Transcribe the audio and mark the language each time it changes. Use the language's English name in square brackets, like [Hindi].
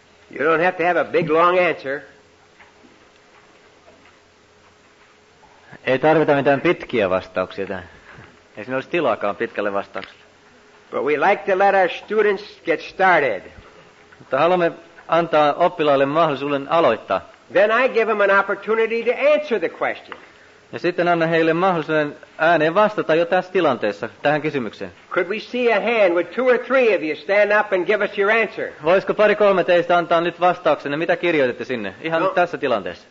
[English] You don't have to have a big long answer. [Finnish] Ei tarvita mitään pitkiä vastauksia tähän. Ei siinä olisi tilaakaan pitkälle vastaukselle. [English] But we like to let our students get started. [Finnish] Mutta haluamme antaa oppilaille mahdollisuuden aloittaa. [English] Then I give them an opportunity to answer the question. [Finnish] Ja sitten anna heille mahdollisuuden ääneen vastata jo tässä tilanteessa tähän kysymykseen. [English] Could we see a hand? Would two or three of you stand up and give us your answer? [Finnish] Voisiko pari kolme teistä antaa nyt vastauksenne? Mitä kirjoititte sinne? Ihan nyt tässä tilanteessa.